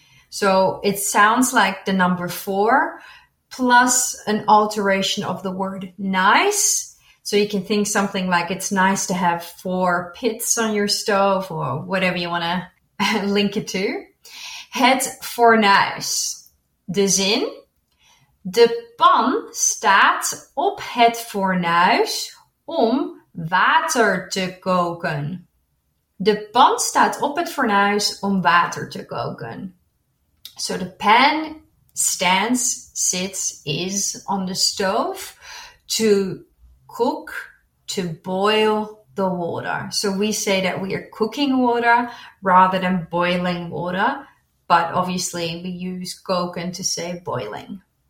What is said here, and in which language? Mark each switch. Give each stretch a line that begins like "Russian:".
English: So it sounds like the number four plus an alteration of the word nice. So you can think something like it's nice to have four pits on your stove or whatever you want to link it to.
Dutch: Het fornuis. De zin. De pan staat op het fornuis om water te koken. De pan staat op het fornuis om water te koken.
English: So the pan stands, sits, is on the stove to cook, to boil the water. So we say that we are cooking water rather than boiling water. But obviously, we use koken to say boiling.